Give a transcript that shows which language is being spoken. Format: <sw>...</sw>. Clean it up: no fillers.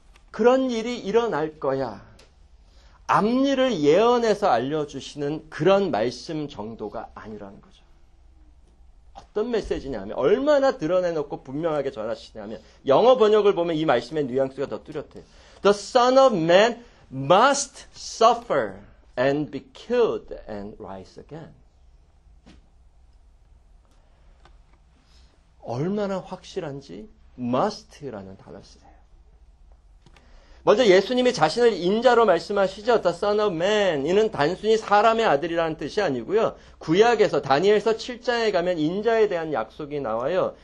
<ko>그런 일이 일어날 거야. 앞니를 예언해서 알려주시는 그런 말씀 정도가 아니라는 거죠. 어떤 메시지냐면, 얼마나 드러내놓고 분명하게 전하시냐면, 영어 번역을 보면 이 말씀의 뉘앙스가 더 뚜렷해요.</ko> <en>The Son of Man must suffer and be killed and rise again.</en> <ko>얼마나 확실한지 must라는 단어 쓰세요. 먼저 예수님이 자신을 인자로 말씀하시죠. The Son of Man이는 단순히 사람의 아들이라는 뜻이 아니고요. 구약에서 다니엘서 7장에 가면 인자에 대한 약속이 나와요.</ko>